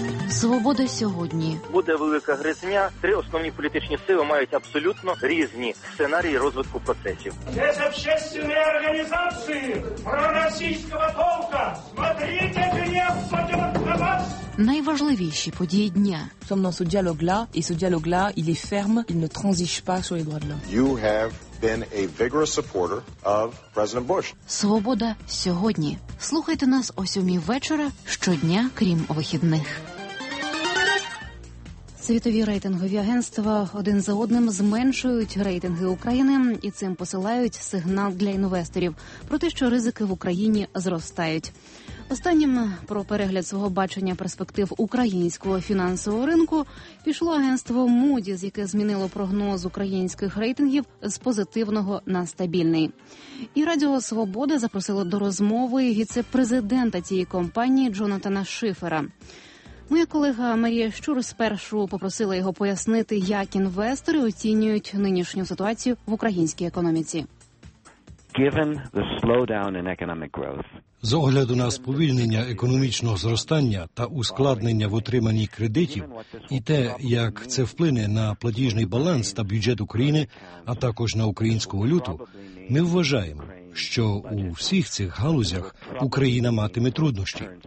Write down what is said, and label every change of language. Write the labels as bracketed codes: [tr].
[uk] Свобода сьогодні. Буде велика гризня. Три основні політичні сили мають абсолютно різні сценарії розвитку процесів. [ru] Не за общественные организации проросійського толка. Смотрите, гнев падет на вас. [uk] Найважливіші події дня. [fr] Sommes dans ce dialogue-là, et ce dialogue-là, il est ferme, il ne transige pas sur les droits de l'homme. [en] You have been a vigorous supporter of President Bush. [uk] Свобода сьогодні. Слухайте нас о 7:00 вечора щодня, крім вихідних. Світові рейтингові агентства один за одним зменшують рейтинги України і цим посилають сигнал для інвесторів про те, що ризики в Україні зростають. Останнім про перегляд свого бачення перспектив українського фінансового ринку пішло агентство Moody's, яке змінило прогноз українських рейтингів з позитивного на стабільний. І Радіо Свобода запросило до розмови віце-президента цієї компанії Джонатана Шифера. Моя колега Марія Щур спершу попросила його пояснити, як інвестори оцінюють нинішню ситуацію в українській економіці. [en] Given the slowdown in economic growth, [uk] з огляду на сповільнення економічного зростання та ускладнення в отриманні кредитів і те, як це вплине на платіжний баланс та бюджет України, а також на українську валюту, ми вважаємо, що у всіх цих галузях Україна матиме труднощі.